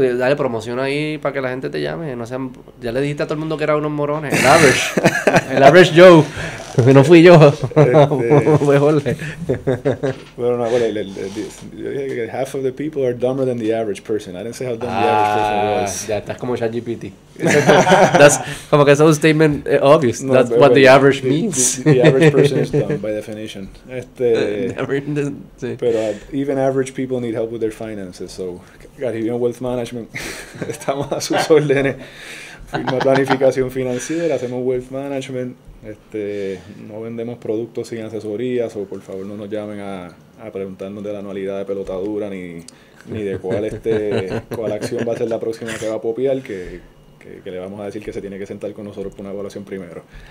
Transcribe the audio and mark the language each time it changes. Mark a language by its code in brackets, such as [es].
[es] Dale promoción ahí para que la gente te llame. No sean... Ya le dijiste a todo el mundo que era unos morones. El average. El average Joe. No fui yo. Bueno, no. Yo dije que [en] half of the people are dumber than the average person. I didn't say how dumb the average person was. [es] Ya, estás como ChatGPT. That's como que es un statement obvious. [en] No, that's what the average means. The average person is dumb by definition. Pero even average people need help with their finances. So, got even wealth management. [es] Estamos a sus órdenes. Firma planificación financiera, hacemos wealth management, no vendemos productos sin asesorías, o por favor no nos llamen a preguntarnos de la anualidad de pelotadura ni de cuál acción va a ser la próxima que va a popear, que le vamos a decir que se tiene que sentar con nosotros por una evaluación primero.